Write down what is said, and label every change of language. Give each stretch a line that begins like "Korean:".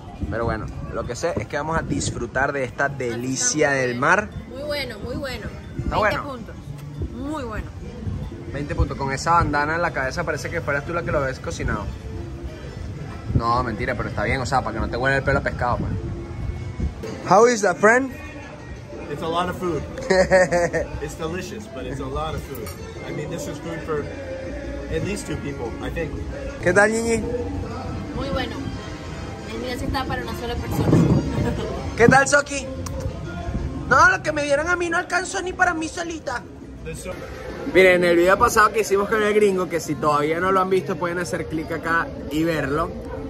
Spanish: Pero bueno, lo que sé es que vamos a disfrutar de esta delicia del mar. Muy bueno, muy bueno. Está bueno. 20 puntos. Muy bueno. 20 puntos. Con esa bandana en la cabeza parece que fueras tú la que lo habías cocinado. No, mentira, pero está bien, o sea, para que no te huele el pelo a pescado, pues.
English: How is that, friend? It's a lot of food. It's delicious, but it's a lot of food. I mean, this is good for at least two people, I think.
Spanish: ¿Qué tal, Niñi? Muy bueno. El día se está para una sola persona. ¿Qué tal, Soki? No, lo que me dieron a mí no alcanzó ni para mí solita. Miren, el video pasado que hicimos con el gringo, que si todavía no lo han visto pueden hacer clic acá y verlo.